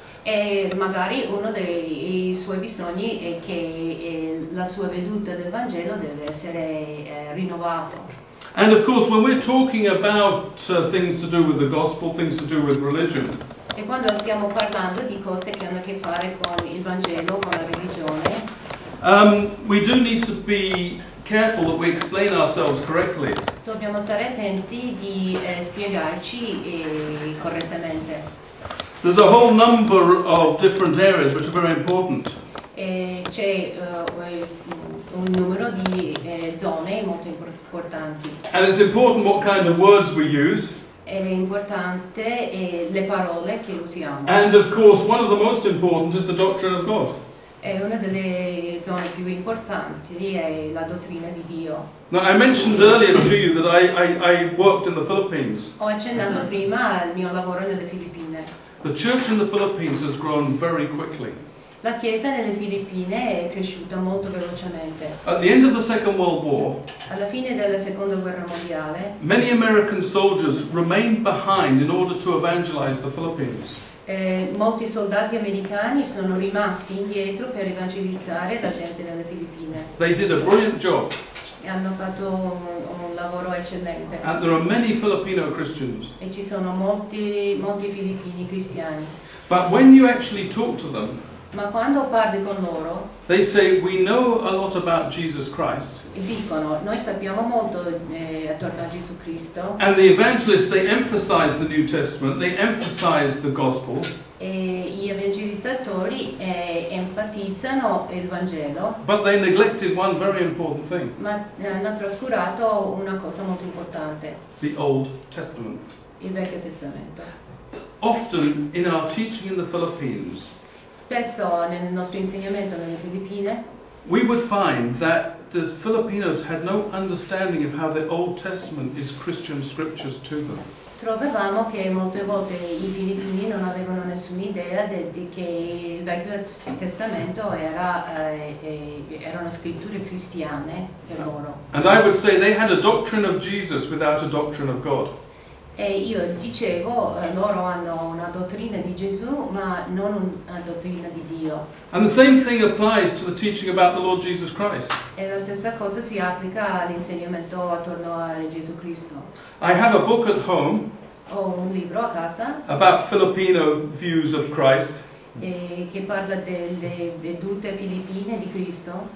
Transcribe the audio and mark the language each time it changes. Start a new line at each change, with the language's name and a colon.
Italian: E magari uno dei suoi bisogni è che la sua veduta del Vangelo deve essere rinnovato.
English: And of course, when we're talking about things to do with the gospel, things to do with religion.
Italian: E quando stiamo parlando di cose che hanno a che fare con il Vangelo, con la religione.
English: We do need to be careful that we explain ourselves correctly.
Italian: Dobbiamo stare attenti di spiegarci correttamente.
English: There's a whole number of different areas which are very important.
Italian: C'è un numero di zone molto importanti.
English: And it's important what kind of words we use.
Italian: Ed è importante le parole che usiamo.
English: And of course, one of the most important is the doctrine of God.
Italian: È una delle zone più importanti, lì è la dottrina di Dio.
English: Now, I mentioned earlier to you that I worked in the Philippines.
Italian: Ho accennato prima al mio lavoro nelle Filippine.
English: The church in the Philippines has grown very quickly.
Italian: La chiesa nelle Filippine è cresciuta molto velocemente.
English: At the end of the Second World War,
Italian: alla fine della Seconda Guerra Mondiale,
English: many American soldiers remained behind in order to evangelize the Philippines.
Italian: molti soldati americani sono rimasti indietro per evangelizzare la gente delle Filippine.
English: They did a brilliant job.
Italian: E hanno fatto un lavoro eccellente.
English: And there are many Filipino Christians.
Italian: E ci sono molti filippini cristiani.
English: But when you actually talk to them,
Italian: ma quando parli con loro,
English: they say we know a lot about Jesus Christ.
Italian: Dicono, noi sappiamo molto attorno a Gesù Cristo.
English: And the evangelists, they emphasize the New Testament, they emphasize the gospel.
Italian: E gli evangelizzatori enfatizzano il Vangelo.
English: But they neglected one very important thing.
Italian: Ma hanno trascurato una cosa molto importante.
English: The Old Testament.
Italian: Il Vecchio Testamento.
English: Often in our teaching in the Philippines.
Italian: Spesso nel nostro insegnamento nelle Filippine.
English: We would find that the Filipinos had no understanding of how the Old Testament is Christian scriptures to them.
Italian: Trovavamo che molte volte i filippini non avevano nessuna idea di che il Vecchio Testamento erano scritture cristiane per loro.
English: And I would say they had a doctrine of Jesus without a doctrine of God.
Italian: E io dicevo, loro hanno una dottrina di Gesù, ma non una dottrina di Dio.
English: And the same thing applies to the teaching about the Lord Jesus Christ.
Italian: E la stessa cosa si applica all'insegnamento attorno a Gesù Cristo.
English: I have a book at home.
Italian: Ho un libro a casa.
English: About Filipino views of Christ.
Italian: E che parla delle vedute filippine di Cristo.